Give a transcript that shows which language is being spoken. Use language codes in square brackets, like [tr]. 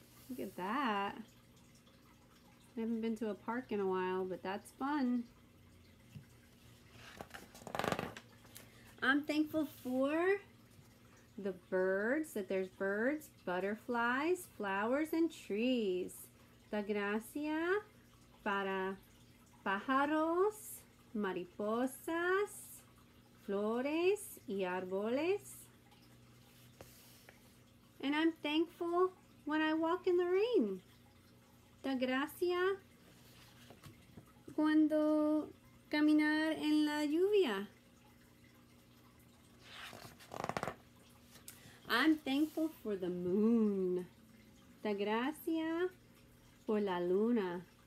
[en] Look at that. I haven't been to a park in a while, but that's fun. I'm thankful for the birds, that there's birds, butterflies, flowers, and trees. [es] Da gracia para pájaros, mariposas, flores, y árboles. [en] And I'm thankful when I walk in the rain. [es] Da gracia cuando caminar en la lluvia. [en] I'm thankful for the moon. [es] Da gracia por la luna.